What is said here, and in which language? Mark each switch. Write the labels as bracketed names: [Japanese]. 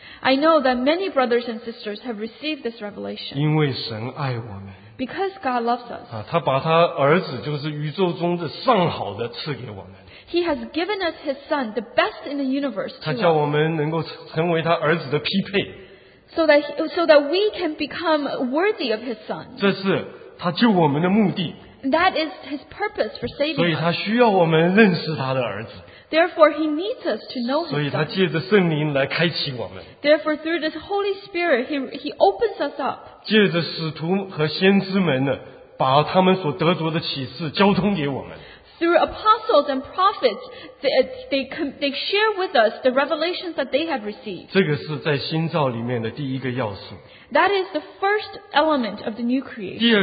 [English] I know that many brothers and sisters have received this revelation. [Chinese] 因为神爱我们。 [English] Because God loves us. [Chinese] 他把他儿子就是宇宙中的上好的赐给我们。 [English] He has given us His Son, the best in the universe. [Chinese] 他叫我们能够成为他儿子的匹配。 [English] So that we can become worthy of His Son. [Chinese] 这是 他救我们的目的, [English] that is His purpose for saving us. [Chinese] 所以他需要我们认识他的儿子, [English] therefore, He needs us to know His Son. [Chinese] 所以他借着圣灵来开启我们, [English] therefore, through this Holy Spirit, He opens us up. [Chinese] 借着使徒和先知们呢, 把他们所得着的启示交通给我们, [English] through apostles and prophets, they share with us the revelations that they have received. [Chinese] 这个是在新造里面的第一个要素。 [English] That is the first element of the new creation.